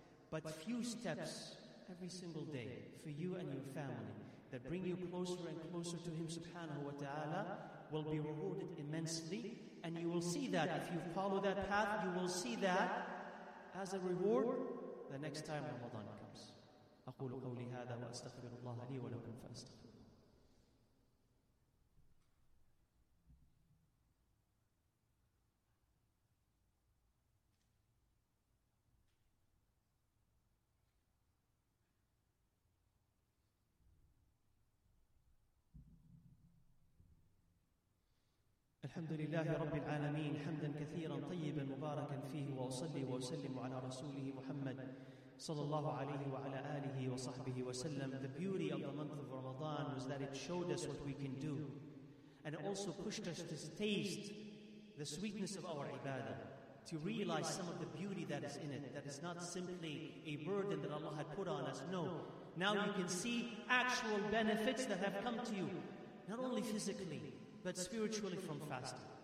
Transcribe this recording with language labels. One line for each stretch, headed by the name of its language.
English: But few steps every single day for you and your family that bring you closer and closer to Him subhanahu wa ta'ala will be rewarded immensely. And you will see that if you follow that path, you will see that as a reward the next time Ramadan comes.
Arabic: أقول قولي هذا وأستغفر الله لي ولكم فأستغفر. الحمد لله رب العالمين حمدا كثيرا طيبا مباركا فيه, وأصلي وأسلم على رسوله محمد صلى الله عليه وعلى آله وصحبه وسلم.
English: The beauty of the month of Ramadan was that it showed us what we can do, and it also pushed us to taste the sweetness of our ibadah. to realize some of the beauty that is in it, that is not simply a burden that Allah had put on us. No. Now you can see actual benefits that have come to you, not only physically, but spiritually from fasting.